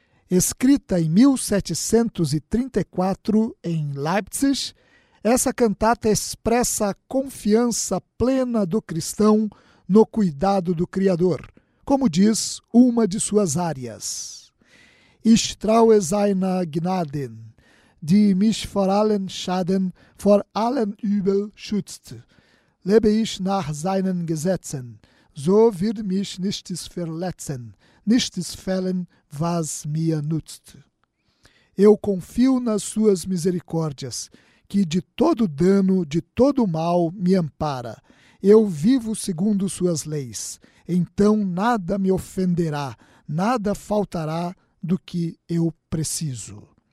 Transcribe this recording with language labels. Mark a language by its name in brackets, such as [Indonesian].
[Portuguese] Escrita em 1734 em Leipzig, essa cantata expressa a confiança plena do cristão no cuidado do Criador, como diz uma de suas áreas. [German] Ich traue seiner Gnaden, die mich vor allen Schaden, vor allen Übel schützt. Lebe ich nach seinen Gesetzen, so wird mich nichts verletzen, nichts fehlen, was mir nützt. [Portuguese] Eu confio nas suas misericórdias, que de todo dano, de todo mal, me ampara. Eu vivo segundo suas leis, então nada me ofenderá, nada faltará do que eu preciso.